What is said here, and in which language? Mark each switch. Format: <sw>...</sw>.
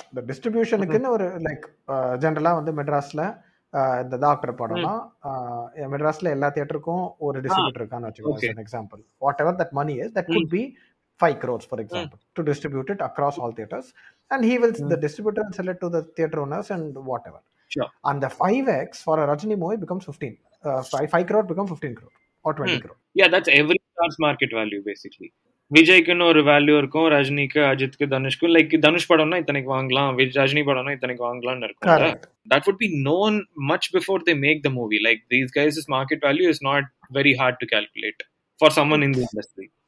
<ta>The distributionக்குன்னு ஒரு like ஜெனரலா வந்து மெட்ராஸ்ல இந்த டாக்டர் படம்னா மெட்ராஸ்ல எல்லா தியேட்டருக்கும் ஒரு டிஸ்ட்ரிபியூட்டர் இருக்கான்னு வச்சுக்கோங்க.</ta> <en>For example whatever that money is that could be 5 crores for example to distribute it across all theaters and he will the distributor will sell it to the theater owners and whatever. Sure. And the 5x for a Rajini movie becomes 15. 5 crore become 15 crore or 20 crore. Yeah, that's every star's market value basically.</en> <ta>விஜய்க்கு ஒரு value இருக்கும், ரஜினிக்கு, அஜித்க்கு, தனுஷ்க்கு. Like Dhanush படம்னா இத்தனைக்கு வாங்கலாம், ரஜினி படம்னா இத்தனைக்கு வாங்கலாம்னு இருக்கும்.</ta> <en>That would be known much before they make the movie. Like these guys is market value is not very hard to calculate for someone in the industry.</en>